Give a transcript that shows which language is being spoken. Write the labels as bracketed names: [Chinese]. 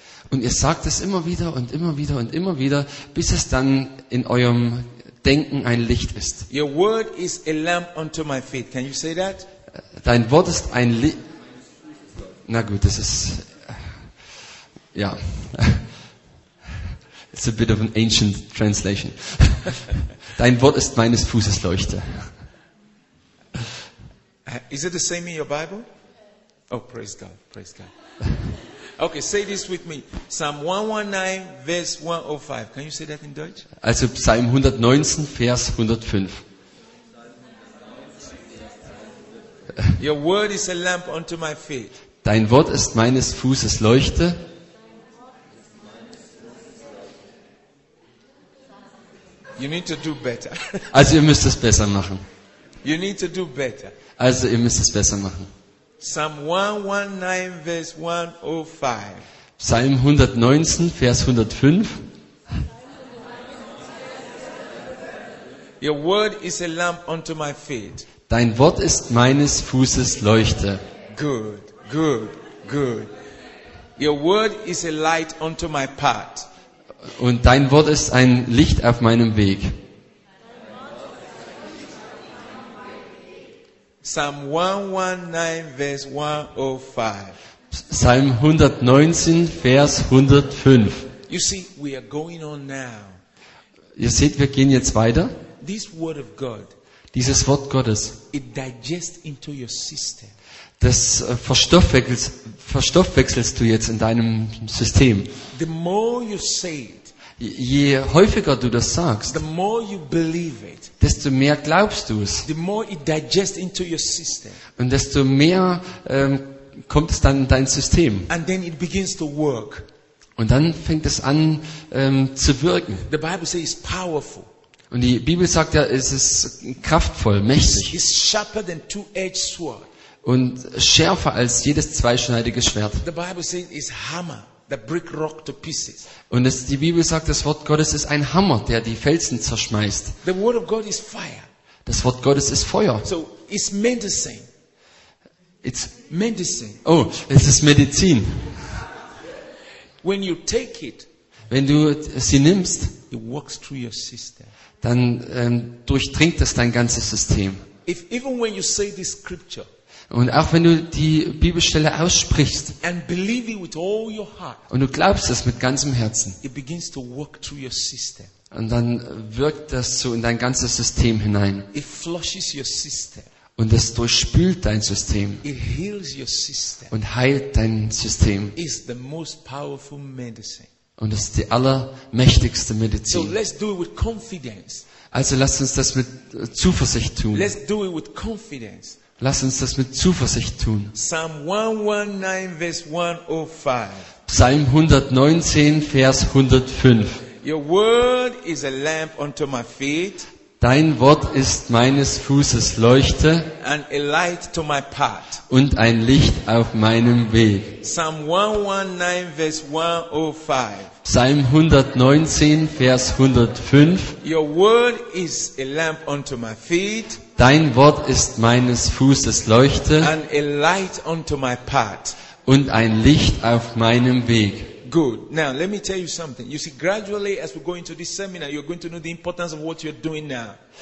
[German] Und ihr sagt es immer wieder und immer wieder und immer wieder, bis es dann in eurem Denken ein Licht ist. [English] Your word is a lamp unto my feet. Can you say that? [German] Dein Wort ist ein Licht. Na gut, das ist ja. [English] It's a bit of an ancient translation. [German] Dein Wort ist meines Fußes Leuchte. [English] Is it the same in your Bible? Oh, praise God, praise God. Okay, say this with me. Psalm 119, verse 105. Can you say that in Deutsch? [German] Also Psalm 119, Vers 105. [English] Your word is a lamp unto my feet. [German] Dein Wort ist meines Fußes Leuchte. [English] You need to do better. [German] Also ihr müsst es besser machen. [English] You need to do better. [German] Also ihr müsst es besser machen. Psalm 119, Vers 105. Psalm 119, Vers 105. [English] Your word is a lamp unto my feet. [German] Dein Wort ist meines Fußes Leuchte. [English] Good, good, good. Your word is a light unto my path. [German] Und dein Wort ist ein Licht auf meinem Weg. Psalm 119, Vers 105. Psalm 119, Vers 105. [English] You see, we are going on now. [German] Ihr seht, wir gehen jetzt weiter. [English] This word of God, [German] dieses Wort Gottes, [English] it digests into your system. [German] Das verstoffwechselst du jetzt in deinem System. [English] The more you say it, [German] je häufiger du das sagst, [English] the more you believe it, [German] desto mehr glaubst du es. [English] The more it digests into your system. [German] Und desto mehr kommt es dann in dein System. [English] And then it begins to work. [German] Und dann fängt es an zu wirken. [English] The Bible says it's powerful. [German] Und die Bibel sagt ja, es ist kraftvoll, mächtig. [English] It's sharper than two-edged sword. [German] Und schärfer als jedes zweischneidige Schwert. [English] The Bible says it's hammer. That break rock to pieces. [German] Und es, die Bibel sagt, das Wort Gottes ist ein Hammer, der die Felsen zerschmeißt. [English] The word of God is fire. [German] Das Wort Gottes ist Feuer. [English] So it's medicine. It's medicine. [German] Oh, es ist Medizin. [English] When you take it, [German] wenn du sie nimmst, [English] it works through your system. [German] Dann durchdringt es dein ganzes System. [English] If even when you say this scripture. [German] Und auch wenn du die Bibelstelle aussprichst [English] and believe it with all your heart, [German] und du glaubst es mit ganzem Herzen, [English] it begins to work through your system. [German] Und dann wirkt das so in dein ganzes System hinein. [English] It flushes your system. [German] Und es durchspült dein System. [English] It heals your system. [German] Und heilt dein System. [English] It's the most powerful medicine. [German] Und es ist die allermächtigste Medizin. [English] So let's do it with confidence. [German] Also lasst uns das mit Zuversicht tun. [English] Let's do it with confidence. [German] Lass uns das mit Zuversicht tun. Psalm 119, Vers 105. Psalm 119, Vers 105. [English] Your word is a lamp unto my feet. [German] Dein Wort ist meines Fußes Leuchte. [English] And a light to my path. [German] Und ein Licht auf meinem Weg. Psalm 119, Vers 105. Psalm 119, Vers 105. [English] Your word is a lamp unto my feet. [German] Dein Wort ist meines Fußes Leuchte. [English] And a light unto my path. [German] Und ein Licht auf meinem Weg. [English] Good. Now let me tell you something. You see, gradually as we go into this seminar, you're going to know the importance of what you're doing now.